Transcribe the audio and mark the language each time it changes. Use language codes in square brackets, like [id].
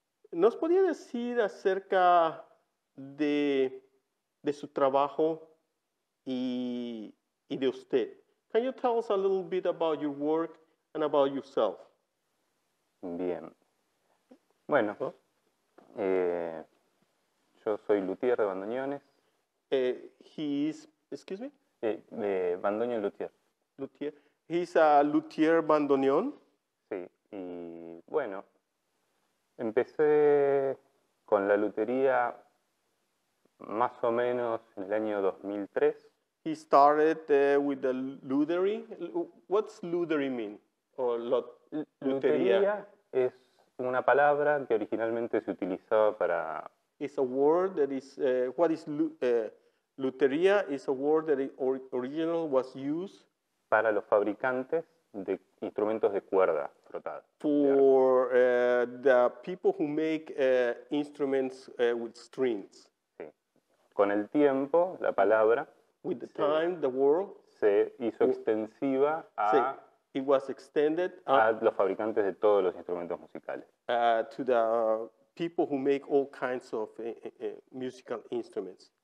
[es] ¿Nos podía decir acerca de su trabajo y de usted? [en] Can you tell us a little bit about your work and about yourself? [es] Bien. Bueno, yo soy luthier de bandoneones. [en] Bandoneon luthier. Luthier. He's a luthier bandoneon. [es] Sí. Y bueno, empecé con la lutería más o menos en el año 2003. [en] He started with the luthery. What's luthery mean? Or lutería [es] es una palabra que originalmente se utilizaba para. [en] It's a word that is. What is Lutería is a word that original was used [es] para los fabricantes de instrumentos de cuerda frotada. [en] For the people who make instruments with strings. [es] Sí. Con el tiempo, la palabra [en] with the time, the word [es] se hizo extensiva a [en] sí. It was extended [es] a los fabricantes de todos los instrumentos musicales. [en] To the people who make all kinds of musical instruments.